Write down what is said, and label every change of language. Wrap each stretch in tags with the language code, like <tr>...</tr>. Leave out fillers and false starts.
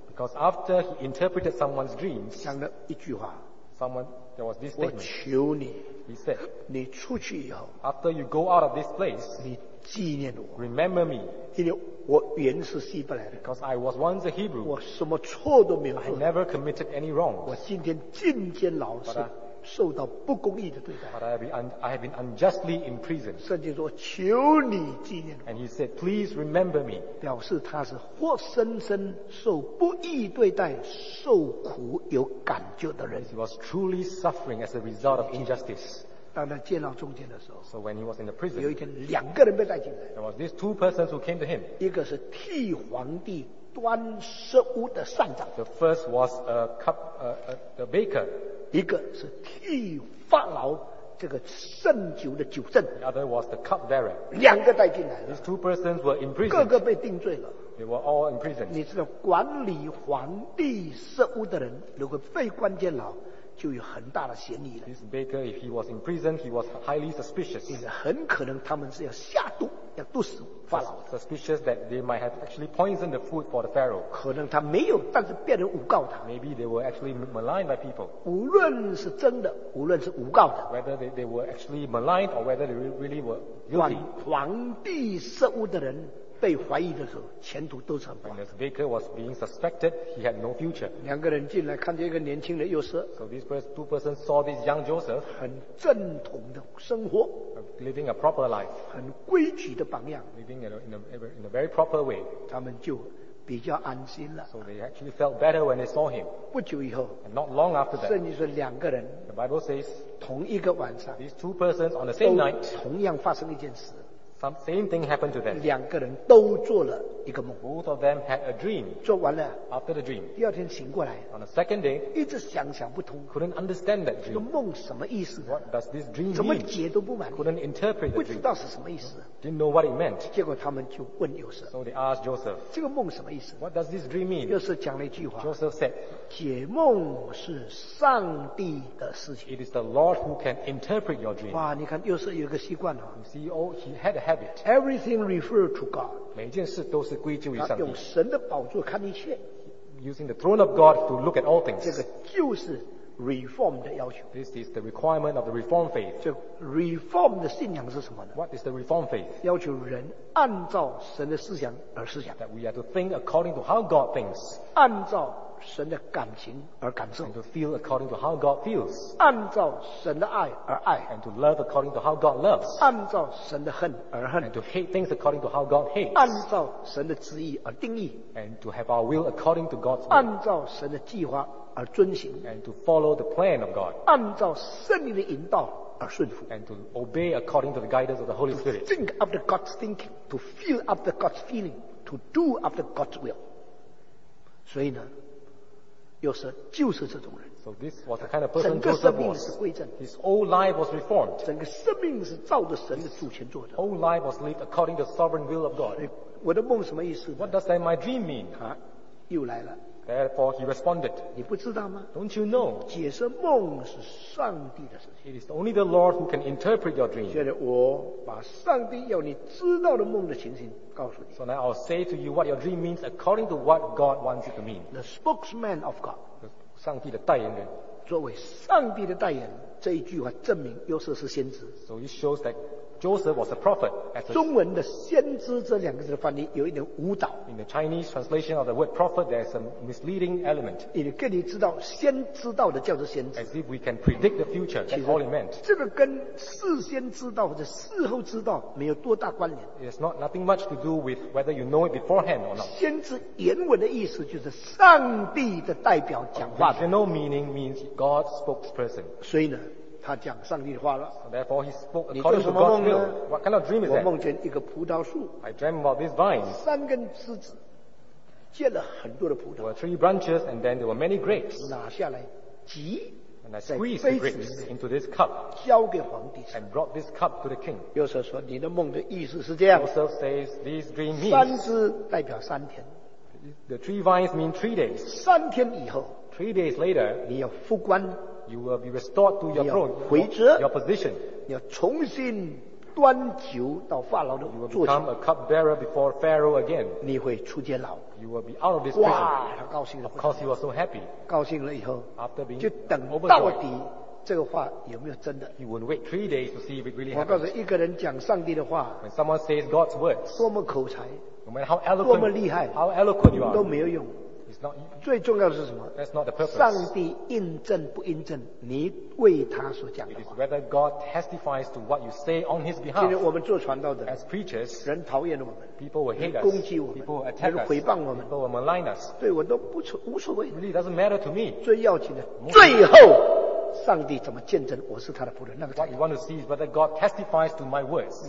<en>because after he interpreted someone's dreams,</en> <zh>讲了一句话,</zh> <en>someone, there was this statement.</en> <zh>我求你,</zh> <en>he said,</en> <zh>你出去以后,</zh> <en>after you go out of this place,</en> <zh>你纪念我,</zh> <en>remember me.</en> <zh>因为我原是希伯来的</zh> <en>because I was once a Hebrew,</en> <zh>我什么错都没有做</zh> <en>I never committed any wrong,</en> <zh>我今天进监牢是受到不公义的对待</zh> <en>but I have been unjustly imprisoned,</en> <zh>圣经说求你纪念我</zh> <en>and he said please remember me,</en> <zh>表示他是活生生受不义对待受苦有感觉的人</zh> <en>he was truly suffering as a result of injustice.</en> <zh>当他见到中间的时候</zh> <en>so when he was in the prison,</en> <zh>有一天两个人被带进来</zh> <en>there was these two persons who came to him.</en> <zh>一个是替皇帝端食物的膳长</zh> <en>the first was a cup, the baker.</en> <zh>一个是替法老这个圣酒的酒圣</zh> <en>the other was the cup bearer.</en> <zh>两个带进来</zh> <en>these two persons were in prison.</en> <zh>各个被定罪了</zh> <en>they were all in prison.</en> <zh>你知道管理皇帝食物的人如果被关监牢就有很大的嫌疑了。</zh> <en>This baker, if he was in prison, he was highly suspicious.</en> <zh>因为很可能他们是要下毒，要毒死法老。</zh> <en>Suspicious that they might have actually poisoned the food for the Pharaoh.</en> <zh>可能他没有，但是别人诬告他。</zh> <en>Maybe they were actually maligned by people.</en> <zh>无论是真的，无论是诬告的。</zh> <en>Whether they were actually maligned or whether they really were guilty.</en> <zh>皇帝食物的人被怀疑的时候，前途都是很不好。</zh> <en>When this baker was being suspected, he had no future.</en> <zh>两个人进来，看见一个年轻人又是。</zh> <en>So these two persons saw this young Joseph.</en> <zh>很正统的生活。</zh> <en>Living a proper life.</en> <zh>很规矩的榜样。</zh> <en>Living in a very proper way.</en> <zh>他们就比较安心了。</zh> <en>So they actually felt better when they saw him.</en> <zh>不久以后。</zh> <en>And not long after that.</en> <zh>甚至说两个人。</zh> <en>The Bible says.</en> <zh>同一个晚上。</zh> <en>These two persons on the same night.</en> <zh>同样发生一件事。</zh> <en>Same thing happened to them.</en> <zh>两个人都做了一个梦。</zh> <en>Both of them had a dream.</en> <zh>做完了。</zh> <en>After the dream.</en> <zh>第二天醒过来。</zh> <en>On the second day.</en> <zh>一直想不通。</zh> <en>Couldn't understand that dream.</en> <zh>这个梦什么意思？</zh> <en>What does this dream mean?</en> <zh>怎么解都不满意。</zh> <en>Couldn't interpret the dream.</en> <zh>不知道是什么意思。</zh> <en>Didn't know what it meant.</en> <zh>结果他们就问约瑟。</zh> <en>So they asked Joseph.</en> <zh>这个梦什么意思？</zh> <en>What does this dream mean?</en> <zh>约瑟讲了一句话。</zh> <en>Joseph said.</en> <zh>解梦是上帝的事情。</zh> <en>It is the Lord who can interpret your dream.</en> <zh>哇，你看约瑟有一个习惯了。</zh> <en>You see, oh, he had a habit. Everything referred to God.</en> <zh>每件事都是归咎于上帝。他用神的宝座看一切。</zh> <en>Using the throne of God to look at all things.</en> <zh>这个就是 reform 的要求。</zh> <en>This is the requirement of the reform faith.</en> <zh>这 reform 的信仰是什么呢？</zh> <en>What is the reform faith?</en> <zh>要求人按照神的思想而思想。</zh> <en>That we are to think according to how God thinks.</en> <zh>按照神的感情而感受</zh> <en>and to feel according to how God feels</en> <zh>按照神的爱而爱</zh> <en>and to love according to how God loves</en> <zh>按照神的恨而恨</zh> <en>and to hate things according to how God hates</en> <zh>按照神的旨意而定义</zh> <en>and to have our will according to God's will</en> <zh>按照神的计划而遵行</zh> <en>and to follow the plan of God</en> <zh>按照圣灵的引导而顺服</zh> <en>and to obey according to the guidance of the Holy Spirit to think after God's thinking to feel after God's feeling to do after God's will</en> <zh>所以呢又是就是这种人</zh> <en>so this was the kind of person Joseph was.</en> <zh>整个生命是归正</zh> <en>his whole life was reformed</en> <zh>整个生命是照着神的主权做的</zh> <en>his whole life was lived according to the sovereign will of God</en> <zh>我的梦什么意思</zh> <en>what does my dream mean</en> <zh>又来了</zh> <en>Therefore, he responded.</en> <zh>你不知道吗？</zh> <en>Don't you know?</en> <zh>解释梦是上帝的事情。</zh> <en>It is only the Lord who can interpret your dream.</en> <zh>现在我把上帝要你知道的梦的情形告诉你。</zh> <en>So now I'll say to you what your dream means according to what God wants it to mean. The spokesman of God.</en> <zh>上帝的代言人。作为上帝的代言人，这一句话证明约瑟是先知。</zh> <en>So it shows that Joseph was a prophet.</en> <zh>中文的先知这两个字的翻译有一点误导。</zh> <en>In the Chinese translation of the word prophet, there's a misleading element.</en> <zh>也跟你知道，先知道的叫做先知。</zh> <en>As if we can predict the future, that's all it meant.</en> <zh>这个跟事先知道或者事后知道没有多大关联。</zh> <en>It's not nothing much to do with whether you know it beforehand or not.</en> <zh>先知原文的意思就是上帝的代表讲话。</zh> <en>Original meaning means God's spokesperson.</en> <zh>所以呢？他讲上帝的话了。</zh> <en>So、therefore, he spoke according to God's will. What kind of dream is that?</en> <zh>我梦见一个葡萄树。</zh> <en>I dream about this vine.</en> <zh>三根枝子，结了很多的葡萄。</zh> <en>There were three branches, and then there were many grapes.</en> <zh>拿下来，挤。</zh> <en>And I squeezed the grapes into this cup.</en> <zh>交给皇帝。</zh> <en>And brought this cup to the king.</en> <zh>约瑟说：“你的梦的意思是这样。”</zh> <en>Joseph says, "This dream means."</en> <zh>三枝代表三天。</zh> <en>The three vines mean 3 days.</en> <zh>三天以后。</zh> <en>3 days later.</en> <zh>你要复官。</zh> <en>You will be restored to your throne,</en> <zh>你要回职,</zh> <en>your position.</en> <zh>你要重新端酒到法老的座前。</zh> <en>You will become a cupbearer before Pharaoh again.</en> <zh>你会出监牢。</zh> <en>You will be out of this prison.</en> <zh>哇，他高兴了。</zh> <en>Of course, he was so happy.</en> <zh>高兴了以后，</zh> <en>After being</en> <zh>就等到底这个话有没有真的。</zh> <en>He would wait 3 days to see if it really happened.</en> <zh>我告诉一个人讲上帝的话，</zh> <en>When someone says God's words,</en> <zh>多么口才，</zh> <en>no matter how eloquent,</en> <zh>多么厉害，</zh> <en>how eloquent you are,</en> <zh>都没有用。</zh> <en>Not,</en> <zh>最重要的是什么？</zh> <en>That's not the purpose.</en> <zh>上帝印证不印证你为他所讲的话？</zh> <en>It is whether God testifies to what you say on his behalf.</en> <zh>今天我们做传道的，</zh> <en>as preachers,</en> <zh>人讨厌我们，</zh> <en>people will hate us,</en> <zh>攻击我们，</zh> <en>people will attack us,</en> <zh>人毁谤我们，</zh> <en>people will malign us.</en> <zh>对我都不无所谓，</zh> <en>really doesn't matter to me.</en> <zh>最要紧的，最后上帝怎么见证我是他的仆人？那个。</zh> <en>What you want to see is whether God testifies to my words.</en>